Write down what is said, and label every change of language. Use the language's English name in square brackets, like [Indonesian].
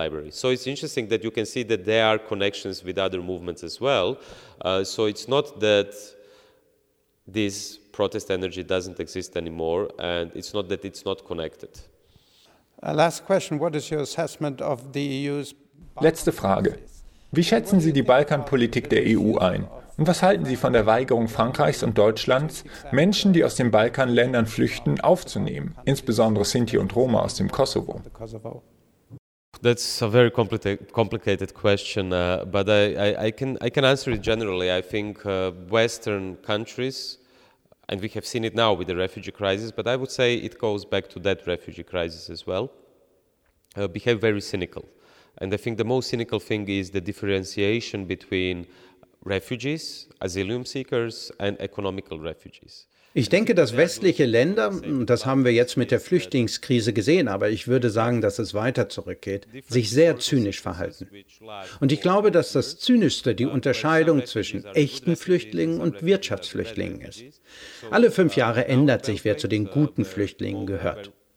[English] So it's interesting that you can see that there are connections with other movements as well. So it's not that this protest energy doesn't exist anymore, and it's not that it's not connected. Last question: What is your assessment of the EU's? [German] Letzte Frage: Wie schätzen Sie die Balkanpolitik der EU ein? Und was halten Sie von der Weigerung Frankreichs und Deutschlands, Menschen, die aus den Balkanländern flüchten, aufzunehmen, insbesondere Sinti und Roma aus dem Kosovo? [English] That's a very complicated question, but I can answer it generally. I think Western countries, and we have seen it now with the refugee crisis, but I would say it goes back to that refugee crisis as well, behave very cynical. And I think the most cynical thing is the differentiation between refugees, asylum seekers and economical refugees. [German] Ich denke, dass westliche Länder, und das haben wir jetzt mit der Flüchtlingskrise gesehen, aber ich würde sagen, dass es weiter zurückgeht, sich sehr zynisch verhalten. Und ich glaube, dass das Zynischste die Unterscheidung zwischen echten Flüchtlingen und Wirtschaftsflüchtlingen ist. Alle 5 Jahre ändert sich, wer zu den guten Flüchtlingen gehört.